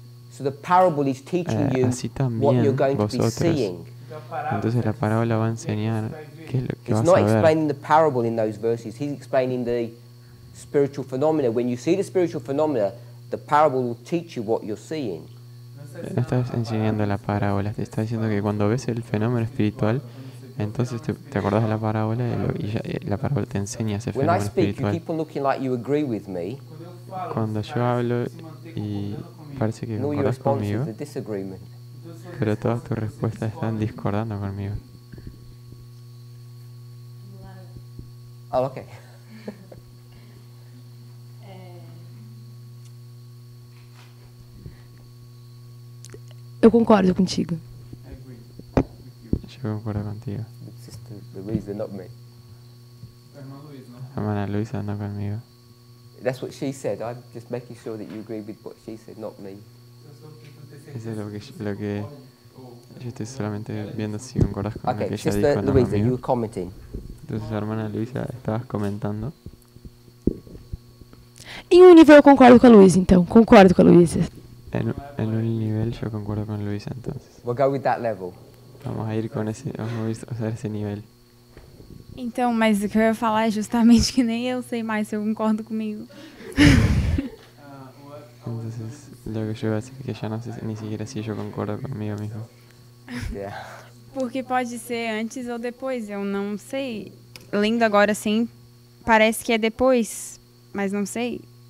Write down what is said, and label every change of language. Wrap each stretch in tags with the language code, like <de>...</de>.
<en>So the parable is teaching you what you're going</en> <es>vosotros.</es> <en>To be seeing.</en> <es>Entonces la parábola va a enseñar qué es lo que</es> <en>it's</en> <es>vas</es> <en>not</en> <es>a ver.</es> <en>Explaining the parable in those verses. He's explaining the spiritual phenomena. When you see the spiritual phenomena, the parable will teach you what you're seeing.</en> <es>No estás enseñando la parábola. Te está diciendo que cuando ves el fenómeno espiritual, entonces te acordás de la parábola y la parábola te enseña ese fenómeno espiritual.</es> <en>People looking like you agree with me.</en> <es>Cuando yo hablo y parece que concordás conmigo, pero todas tus respuestas están discordando conmigo.</es> <en>Oh, okay.</en> <pt>Eu concordo contigo. Eu concordo contigo.</pt> <en>Luisa, not me.</en> <es>Hermana Luisa, no conmigo.</es> <en>That's what she said. I'm just making sure that you agree with what she said, not me.</en> <es>Eso es lo que yo estoy solamente viendo si concordas con</es> <en>okay,</en> <es>lo que ella dijo.</es> <en>Okay, Luisa, you were commenting.</en> <es>Entonces, hermana Luisa, estabas comentando.</es> <pt>Em nível eu concordo com a Luisa, então. Concordo com a Luisa.</pt> <es>En un nivel yo concuerdo con Luis entonces.</es> <en>We'll go with that level.</en> <es>Vamos a usar ese nivel.</es> <pt>Então, mas o que eu ia falar é justamente que nem eu sei mais se eu concordo comigo.</pt> <es>Entonces, lo que yo iba a decir es que ya no sé ni siquiera si yo concuerdo conmigo mismo.</es> <pt>Porque pode ser antes ou depois, eu não sei. Lendo agora sim, parece que é depois, mas não sei.</pt>